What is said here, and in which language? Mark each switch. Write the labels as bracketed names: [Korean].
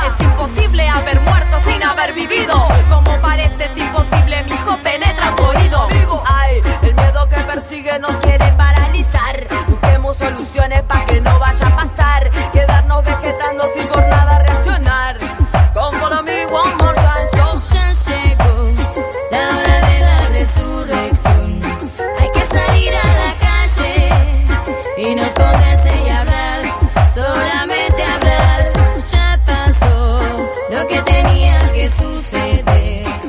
[Spanish] Es imposible haber muerto sin haber vivido. Como parece, es imposible, mi hijo penetra tu oído. Ay, el miedo que persigue nos quiere paralizar. Busquemos soluciones para que no vaya a pasar. Quedarnos vegetando sin por nada reaccionar. [English] Come follow me one more time, so. [Spanish] Ya llegó la hora de la resurrección. Hay que salir a la calle y no esconderse y hablar. Solamente hablar. Ya pasó lo que tenía que suceder.